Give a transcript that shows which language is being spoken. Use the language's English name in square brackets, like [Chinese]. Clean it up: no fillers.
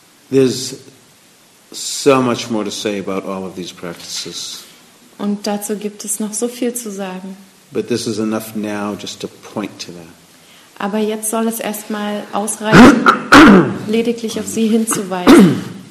[English] There's so much more to say about all of these practices. [German] Und dazu gibt es noch so viel zu sagen. [English] But this is enough now just to point to that. [German] Aber jetzt soll es erstmal ausreichen, lediglich auf sie hinzuweisen.